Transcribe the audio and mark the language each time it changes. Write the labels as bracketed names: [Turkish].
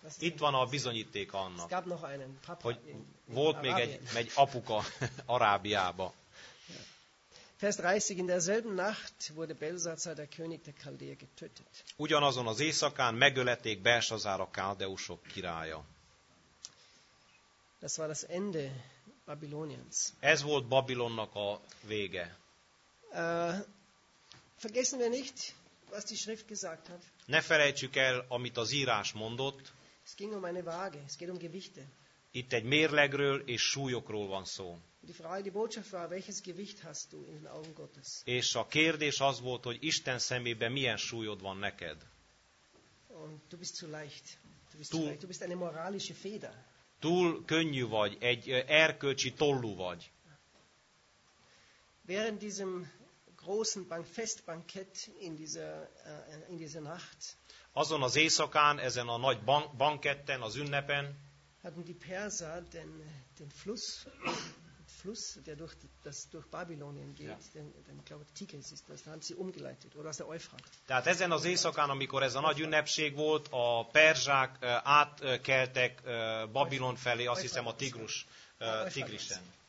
[Hungarian] Itt van a bizonyíték annak. [German] Es gab noch einen Papa. [Hungarian] Hogy volt még egy apuka Arábiába. [German] Vers 30, in derselben Nacht wurde Belsazar, der König der Chaldeer, getötet. [Hungarian] Ugyanazon az éjszakán megölették Belsazar, a káldeusok királya. [German] Das war das Ende Babyloniens. [Hungarian] Ez volt Babilonnak a vége. [German] Vergessen wir nicht, was die Schrift gesagt hat. [Hungarian] Ne felejtsük el, amit az írás mondott. [German] Es ging um eine Waage, es geht um Gewichte. [Hungarian] Itt egy mérlegről és súlyokról van szó. [German] Die Frage, die Botschaft war, welches Gewicht hast du in den Augen Gottes? [Hungarian] És a kérdés az volt, hogy Isten szemében milyen súlyod van neked. [German] Und du bist zu leicht. Du bist eine moralische Feder. [Hungarian] Túl könnyű vagy, egy erkölcsi tollú vagy. [German] Während diesem großen Festbankett in dieser Nacht. [Hungarian] Azon az éjszakán, ezen a nagy banketten, az ünnepen. [German] Hatten die Perser den Fluss. Fluss, der durch Babylonien geht, den glaube Tigris ist das, da haben sie umgeleitet, oder aus der Euphrat. [Hungarian] Tehát ezen az éjszakán, amikor ez a nagy ünnepség volt, a perzsák átkeltek Babilon felé, azt hiszem a Tigris, Tigrisen.